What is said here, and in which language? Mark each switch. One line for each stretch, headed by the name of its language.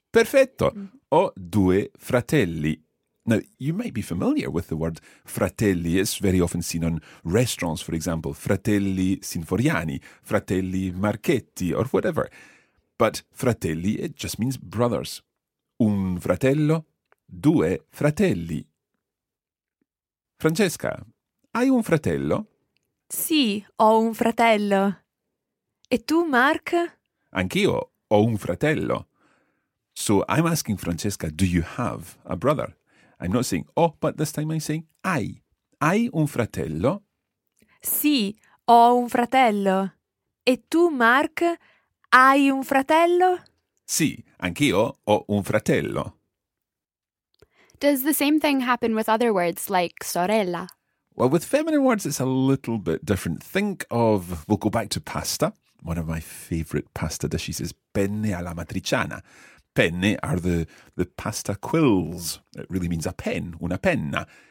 Italian: Perfetto. Ho 2 fratelli.
English: Now, you might be familiar with the word fratelli. It's very often seen on restaurants, for example, fratelli Sinforiani, fratelli Marchetti, or whatever. But fratelli, it just means brothers.
Italian: Un fratello, due fratelli. Francesca, hai un fratello? Sì, ho un fratello. E tu, Mark? Anch'io ho un fratello.
English: So I'm asking Francesca, do you have a brother? I'm not saying oh, but this time I'm saying hai.
Italian: Hai un fratello? Sì, ho un fratello. E tu, Mark, hai un fratello? Sì, anch'io ho un fratello.
English: Does the same thing happen with other words like sorella? Well, with feminine words, it's a little bit different. Think of, we'll go back to pasta. One of my favourite pasta dishes is penne alla matriciana. Penne are the pasta quills. It really means a pen,
Italian: una penna.